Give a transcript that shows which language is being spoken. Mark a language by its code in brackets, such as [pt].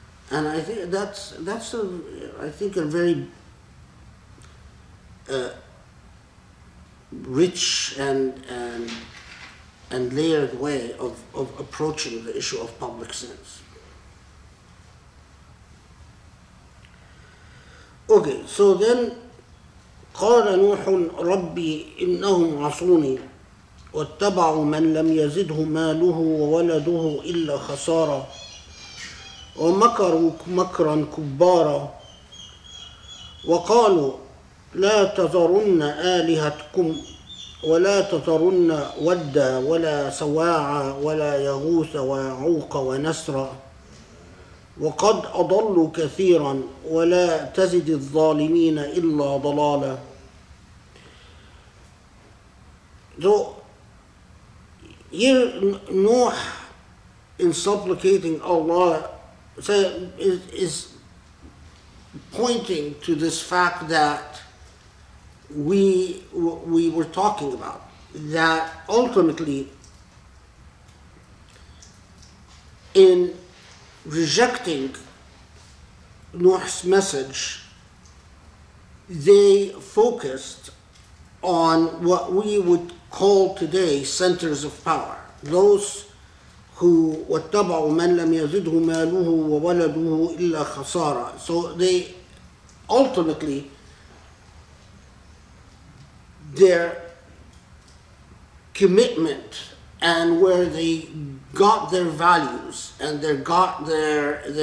[en] And I think that's a very rich and layered way of approaching the issue of public sins. Okay, so then [ar] قَالَ نُوحٌ رَبِّ إِنَّهُمْ عَصُونِي واتبعوا من لم يزده ماله وولده إلا خسارة ومكروا مكرا كبارا وقالوا لا تذرن آلهتكم ولا تذرن ودا ولا سواعا ولا يغوث ويعوق ونسرا وقد أضلوا كثيرا ولا تزد الظالمين إلا ضلالا. [en] Here, Nuh, in supplicating Allah, is pointing to this fact that we were talking about, that ultimately, in rejecting Nuh's message, they focused on what we would call today centers of power. Those who [ar] واتبعوا من لم يزده ماله وولده إلا خسارة. [en] So they ultimately, their commitment and where they got their values and they got their